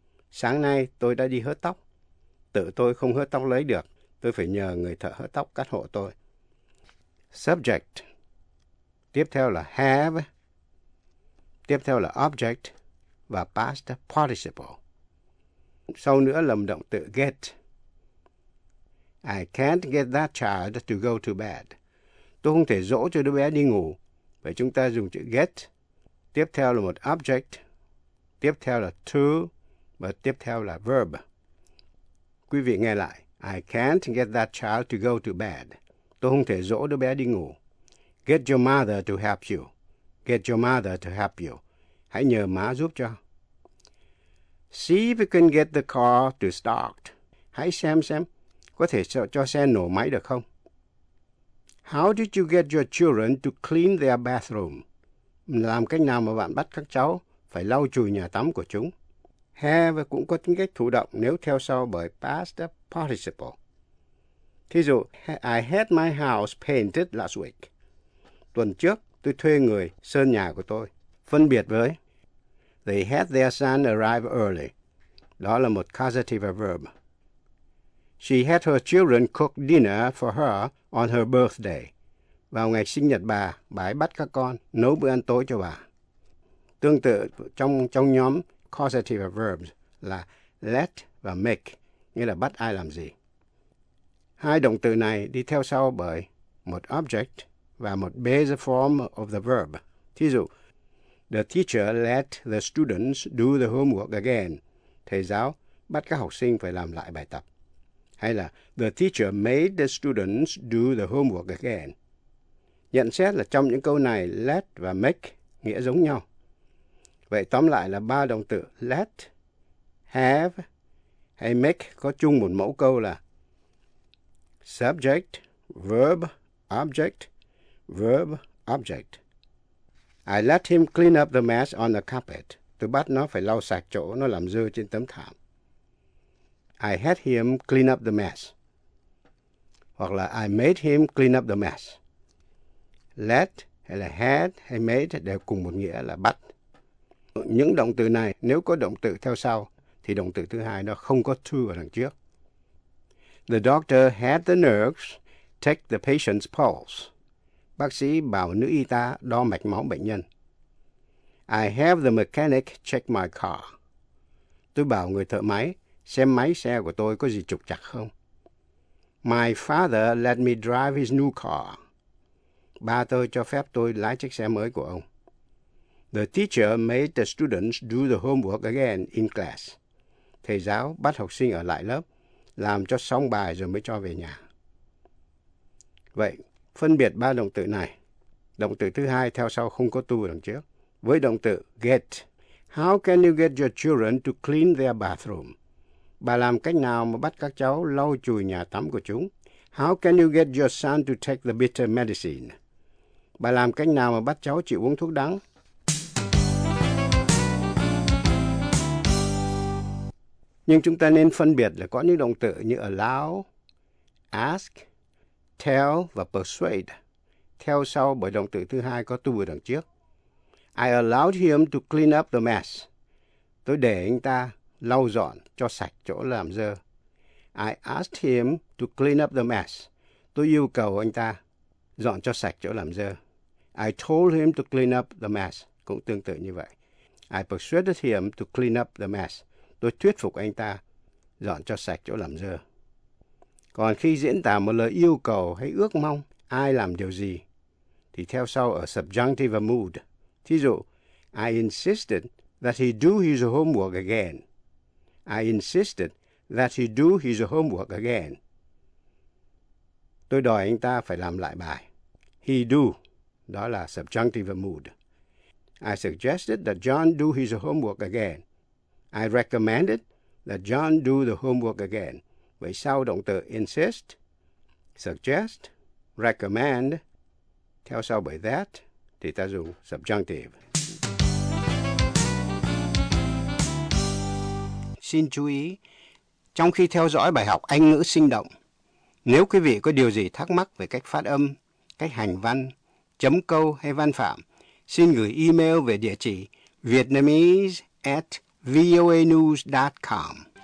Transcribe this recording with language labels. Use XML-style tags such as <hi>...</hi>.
<vi>Sáng nay tôi đã đi hớt tóc. Tự tôi không hớt tóc lấy được. Tôi phải nhờ người thợ hớt tóc cắt hộ tôi. Subject. Tiếp theo là have. Tiếp theo là object và past participle. Sau nữa là động từ get.</vi> <en>I can't get that child to go to bed.</en> <vi>Tôi không thể dỗ cho đứa bé đi ngủ. Vậy chúng ta dùng chữ get. Tiếp theo là một object. Tiếp theo là to. Và tiếp theo là verb. Quý vị nghe lại.</vi> <en>I can't get that child to go to bed.</en> <vi>Tôi không thể dỗ đứa bé đi ngủ.</vi> <en>Get your mother to help you. Get your mother to help you.</en> <vi>Hãy nhờ má giúp cho.</vi> <en>See if you can get the car to start.</en> <vi>Hãy xem. Có thể cho xe nổ máy được không?</vi> <en>How did you get your children to clean their bathroom?</en> <vi>Làm cách nào mà bạn bắt các cháu phải lau chùi nhà tắm của chúng? Have cũng có tính cách thụ động nếu theo sau bởi past participle. Thí dụ,</vi> <en>I had my house painted last week.</en> <vi>Tuần trước, tôi thuê người sơn nhà của tôi. Phân biệt với,</vi> <en>they had their son arrive early.</en> <vi>Đó là một causative verb.</vi> <en>She had her children cook dinner for her on her birthday.</en> <vi>Vào ngày sinh nhật bà ấy bắt các con nấu bữa ăn tối cho bà. Tương tự trong nhóm causative verbs là let và make, nghĩa là bắt ai làm gì. Hai động từ này đi theo sau bởi một object và một base form of the verb. Thí dụ,</vi> <en>the teacher let the students do the homework again.</en> <vi>Thầy giáo bắt các học sinh phải làm lại bài tập. Hay là</vi> <en>the teacher made the students do the homework again.</en> <vi>Nhận xét là trong những câu này, let và make nghĩa giống nhau. Vậy tóm lại là ba động từ let, have hay make có chung một mẫu câu là subject, verb, object, verb, object.</vi> <en>I let him clean up the mess on the carpet.</en> <vi>Tôi bắt nó phải lau sạch chỗ nó làm dơ trên tấm thảm.</vi> <en>I had him clean up the mess.</en> <vi>Hoặc là</vi> <en>I made him clean up the mess.</en> <vi>Let hay là had hay made đều cùng một nghĩa là bắt. Những động từ này, nếu có động từ theo sau, thì động từ thứ hai nó không có to ở đằng trước.</vi> <en>The doctor had the nurse take the patient's pulse.</en> <vi>Bác sĩ bảo nữ y tá đo mạch máu bệnh nhân.</vi> <en>I have the mechanic check my car.</en> <vi>Tôi bảo người thợ máy xem máy xe của tôi có gì trục trặc không.</vi> <en>My father let me drive his new car.</en> <vi>Ba tôi cho phép tôi lái chiếc xe mới của ông.</vi> <en>The teacher made the students do the homework again in class.</en> <vi>Thầy giáo bắt học sinh ở lại lớp, làm cho xong bài rồi mới cho về nhà. Vậy, phân biệt ba động từ này. Động từ thứ hai theo sau không có to đằng trước. Với động từ get,</vi> <en>how can you get your children to clean their bathroom?</en> <vi>Bà làm cách nào mà bắt các cháu lau chùi nhà tắm của chúng?</vi> <en>How can you get your son to take the bitter medicine?</en> <vi>Bà làm cách nào mà bắt cháu chịu uống thuốc đắng? Nhưng chúng ta nên phân biệt là có những động từ như allow, ask, tell và persuade, theo sau bởi động từ thứ hai có to ở đằng trước.</vi> <en>I allowed him to clean up the mess.</en> <vi>Tôi để anh ta lau dọn cho sạch chỗ làm dơ.</vi> <en>I asked him to clean up the mess.</en> <vi>Tôi yêu cầu anh ta dọn cho sạch chỗ làm dơ.</vi> <en>I told him to clean up the mess.</en> <vi>Cũng tương tự như vậy.</vi> <en>I persuaded him to clean up the mess.</en> <vi>Tôi thuyết phục anh ta dọn cho sạch chỗ làm dơ. Còn khi diễn tả một lời yêu cầu hay ước mong ai làm điều gì, thì theo sau ở subjunctive mood. Thí dụ,</vi> <en>I insisted that he do his homework again. I insisted that he do his homework again.</en> <vi>Tôi đòi anh ta phải làm lại bài.</vi> <en>He do,</en> <vi>đó là subjunctive mood.</vi> <en>I suggested that John do his homework again. I recommended that John do the homework again.</en> <vi>Vậy sau động từ insist, suggest, recommend, theo sau bởi that, thì ta dùng subjunctive. Xin chú ý, trong khi theo dõi bài học Anh ngữ sinh động, nếu quý vị có điều gì thắc mắc về cách phát âm, cách hành văn, chấm câu hay văn phạm, xin gửi email về địa chỉ vietnamese@voanews.com.</vi>